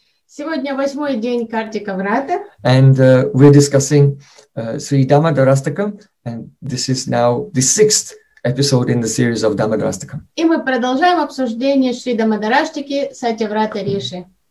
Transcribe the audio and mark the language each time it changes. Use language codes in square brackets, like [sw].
[ru] Сегодня восьмой день Картика Врата. [en] And we're discussing Sri Damodarashtakam, and this is now the sixth episode in the series of Damodarashtakam. [ru] И мы продолжаем обсуждение Шри Дамодараштики Сати Врата Риши.